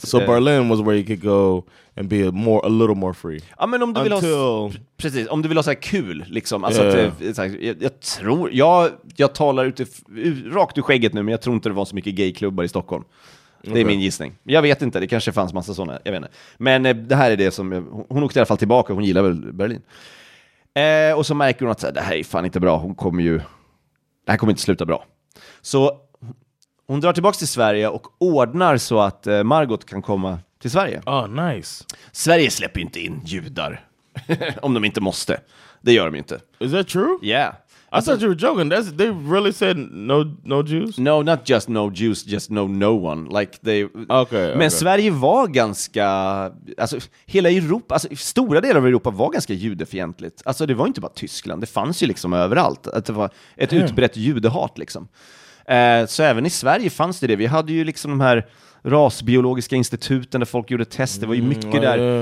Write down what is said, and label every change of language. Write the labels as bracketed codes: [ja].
[en] So Berlin was where you could go and be a little more free. [sv] Ja, men om du vill om du vill ha så här kul liksom, alltså att jag tror jag talar rakt ur skägget nu, men jag tror inte det var så mycket gayklubbar i Stockholm. Det är min gissning. Jag vet inte, det kanske fanns massa såna, jag vet inte. Men det här är det som hon åkte i alla fall tillbaka, hon gillar väl Berlin. Och så märker hon att så här, det här är fan inte bra. Det här kommer inte sluta bra. Så hon drar tillbaka till Sverige och ordnar så att Margot kan komma till Sverige. [en] Ah, oh, nice. [sv] Sverige släpper ju inte in judar. Om de inte måste. Det gör de inte. [en] Is that true? Yeah. I thought you were joking. They really said no Jews? No, not just no Jews, just no one. Like they... Okay. [sv] Men Sverige var ganska... Alltså, hela Europa... Alltså, stora delar av Europa var ganska judefientligt. Alltså, det var inte bara Tyskland. Det fanns ju liksom överallt. Det var ett utbrett judehat liksom. Så även i Sverige fanns det. Vi hade ju liksom de här rasbiologiska instituten där folk gjorde tester. Det var ju mycket där.